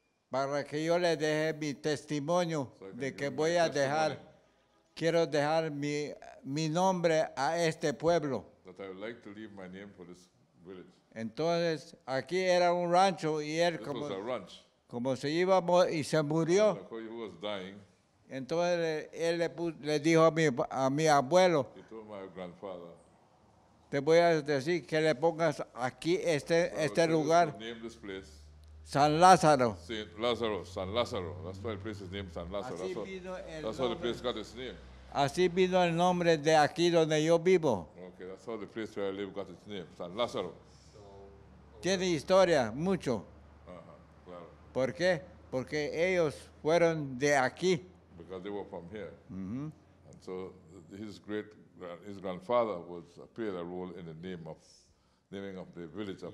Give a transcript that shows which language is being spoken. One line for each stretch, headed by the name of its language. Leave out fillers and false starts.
Spanish: Para que yo le deje mi testimonio de que voy a dejar. Quiero dejar mi nombre a este pueblo.
English: That I would like to leave my name for this village.
Spanish: Entonces, aquí era un rancho y él
English: this
Spanish: como
English: was a ranch.
Spanish: Como se iba y se murió.
English: And he was dying.
Spanish: Entonces, él le dijo a mi abuelo.
English: He told my grandfather.
Spanish: Te voy a decir que le pongas aquí este lugar.
English: Name this place.
Spanish: San Lázaro.
English: Saint Lázaro, San Lázaro. That's why the place is named San Lázaro.
Spanish: Así
English: that's how the place got its name.
Spanish: Así vino el nombre de aquí donde yo vivo.
English: Okay, that's how the place where I live got its name, San Lázaro.
Spanish: Tiene historia, mucho. Claro. ¿Por qué? Porque ellos fueron de aquí.
English: Because they were from here. Mm-hmm. And so his grandfather was played a role in the naming of the village of